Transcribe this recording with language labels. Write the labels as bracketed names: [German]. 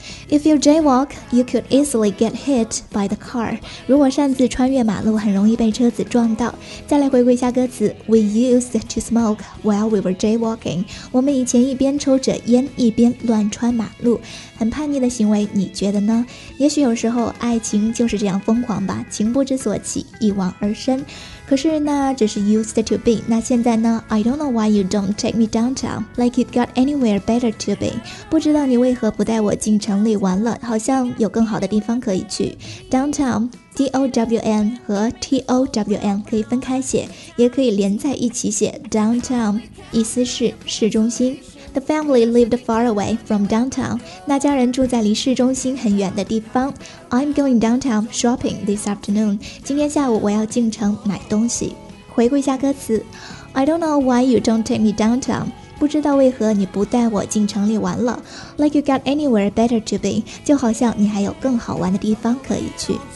[English] If you jaywalk, you could easily get hit by the car. [Chinese] 如果擅自穿越马路，很容易被车子撞到。再来回顾一下歌词 , [English] We used to smoke while we were jaywalking. [Chinese] 我们以前一边抽着烟，一边乱穿马路。很叛逆的行为，你觉得呢？也许有时候爱情就是这样疯狂吧，情不知所起，一往而深。可是那只是 used to be, 那现在呢 ? [English] I don't know why you don't take me downtown, like it got anywhere better to be. [Chinese] 不知道你为何不带我进城里玩了，好像有更好的地方可以去。 Downtown, D-O-W-N 和 T-O-W-N 可以分开写，也可以连在一起写。 [English] Downtown, [Chinese] 意思是市中心。 [English] The family lived far away from downtown. [Chinese] 那家人住在离市中心很远的地方。 [English] I'm going downtown shopping this afternoon. [Chinese] 今天下午我要进城买东西。回顾一下歌词。 [English] I don't know why you don't take me downtown. [Chinese] 不知道为何你不带我进城里玩了。 [English] Like you got anywhere better to be. [Chinese] 就好像你还有更好玩的地方可以去。